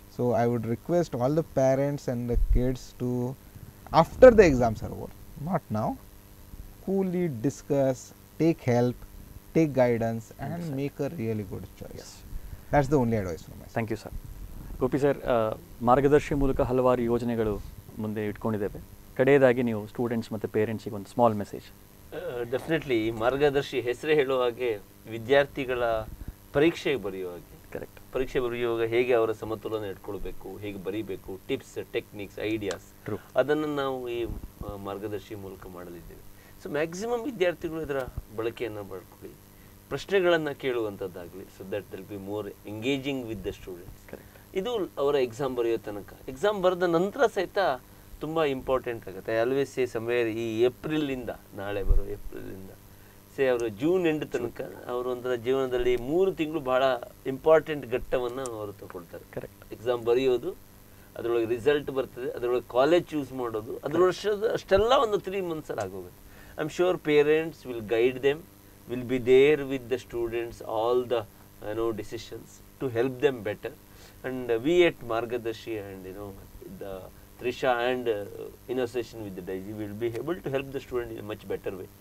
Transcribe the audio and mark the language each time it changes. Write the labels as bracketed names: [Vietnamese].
[English] So, I would request all the parents and the kids to, after the exams are over, not now, coolly discuss, take help, take guidance, and Exactly. make a really good choice. Yes. That's the only advice from myself. Thank you, sir. Gopi sir, Margadarshi [Kannada] Mulaka Halvar Yojanegalu. ಮುಂದೆ ಇಟ್ಕೊಂಡಿದ್ದೇವೆ ಕಡೆಯದಾಗಿ ನೀವು students ಮತ್ತು ಪೇರೆಂಟ್ಸಿಗೆ ಒಂದು small message definitely ಮಾರ್ಗದರ್ಶಿ ಹೆಸರೇ ಹೇಳುವ ಹಾಗೆ ವಿದ್ಯಾರ್ಥಿಗಳ ಪರೀಕ್ಷೆಗೆ ಬರೆಯುವ ಹಾಗೆ ಕರೆಕ್ಟ್ ಪರೀಕ್ಷೆ ಬರೆಯುವಾಗ ಹೇಗೆ ಅವರ ಸಮತೋಲನ ಇಟ್ಕೊಳ್ಬೇಕು ಹೇಗೆ ಬರೀಬೇಕು ಟಿಪ್ಸ್ ಟೆಕ್ನಿಕ್ಸ್ ಐಡಿಯಾಸ್ ಟ್ರೂ ಅದನ್ನು ನಾವು ಈ ಮಾರ್ಗದರ್ಶಿ ಮೂಲಕ ಮಾಡಲಿದ್ದೇವೆ ಸೊ ಮ್ಯಾಕ್ಸಿಮಮ್ ವಿದ್ಯಾರ್ಥಿಗಳು ಇದರ ಬಳಕೆಯನ್ನು ಮಾಡ್ಕೊಳ್ಳಿ ಪ್ರಶ್ನೆಗಳನ್ನು ಕೇಳುವಂಥದ್ದಾಗಲಿ [English] so that will be more engaging with the students [Kannada] correct ಇದು ಅವರ ಎಕ್ಸಾಮ್ ಬರೆಯೋ ತನಕ ಎಕ್ಸಾಮ್ ಬರೆದ ನಂತರ ಸಹಿತ ತುಂಬ ಇಂಪಾರ್ಟೆಂಟ್ ಆಗುತ್ತೆ [English] always say somewhere [Kannada] ಈ ಏಪ್ರಿಲಿಂದ ನಾಳೆ ಬರೋ ಏಪ್ರಿಲಿಂದ ಸೇ ಅವರು ಜೂನ್ ಎಂಡ್ ತನಕ ಅವರು ಒಂಥರ ಜೀವನದಲ್ಲಿ 3 ತಿಂಗಳು ಭಾಳ ಇಂಪಾರ್ಟೆಂಟ್ ಘಟ್ಟವನ್ನು ಅವರು ತಗೊಳ್ತಾರೆ ಕರೆಕ್ಟ್ ಎಕ್ಸಾಮ್ ಬರೆಯೋದು ಅದರೊಳಗೆ ರಿಸಲ್ಟ್ ಬರ್ತದೆ ಅದರೊಳಗೆ ಕಾಲೇಜ್ ಚೂಸ್ ಮಾಡೋದು ಅದ್ರ ವರ್ಷದ ಅಷ್ಟೆಲ್ಲ ಒಂದು 3 ಮಂತ್ಸಲ್ಲಿ ಆಗೋಗುತ್ತೆ [English] I'm sure parents will guide them, will be there with the students, all the, you know, decisions to help them better. And we at Margadarshi and, you know, the Trisha and in association with the Daiji, we will be able to help the student in a much better way.